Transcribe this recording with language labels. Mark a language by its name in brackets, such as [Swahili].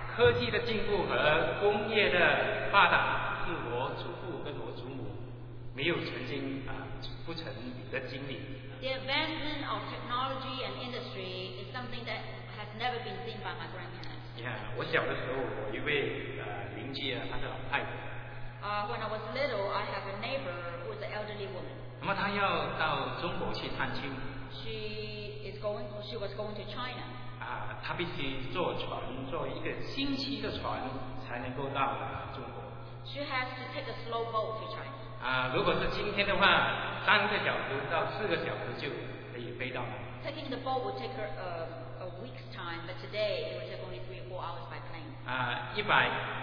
[Chinese] 科技的进步和工业的发达。是我祖父跟我祖母没有曾经不曾的经历。 [English] The advancement of technology and industry is something that has never been seen by my grandparents. [Chinese] Yeah, 我小的时候，我一位邻居啊，她是老太婆。 [English] When I was little, I have a neighbor who is an elderly woman. [Chinese] 那么她要到中国去探亲。 [English] She was going to China. [Chinese] 她必须坐船，坐一个星期的船才能够到中国。 [English] She has to take a slow boat to China. [Chinese] 如果是今天的话，三个小时到四个小时就可以飞到了。 [English] Taking the boat would take her a week's time, but today it would take only 3 or 4 hours by plane.